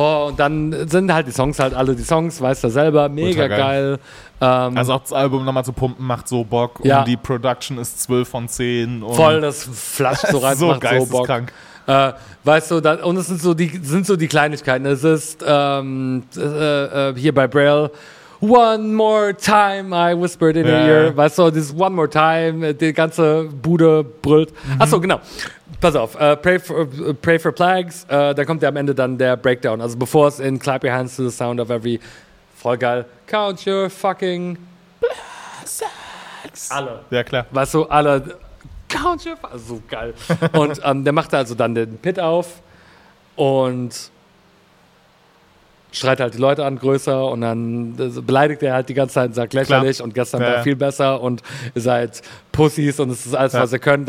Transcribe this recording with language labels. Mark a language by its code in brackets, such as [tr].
[de] Oh, und dann sind halt die Songs halt alle die Songs, weißt du selber, mega geil. Also auch das Album nochmal zu pumpen macht so Bock. Ja. Und die Production ist 12 von 10. Und voll, das flasht so rein. So macht geil, so Bock. Krank. Weißt du, und es sind so die Kleinigkeiten. Es ist hier bei Braille. [en] One more time, I whispered in your ear. [de] Weißt du, dieses one more time, die ganze Bude brüllt. Achso, genau. Pass auf, pray for plagues. Da kommt ja am Ende dann der Breakdown. Also bevor es in Clap Your Hands to the Sound of Every... Voll geil. [en] Count your fucking blessings. [de] Alle. Ja, klar. Weißt du, alle... Count your fucking... So geil. Und der macht also dann den Pit auf und... schreit halt die Leute an größer und dann beleidigt er halt die ganze Zeit und sagt lächerlich und gestern war viel besser und ihr seid Pussys und es ist alles, was ihr könnt.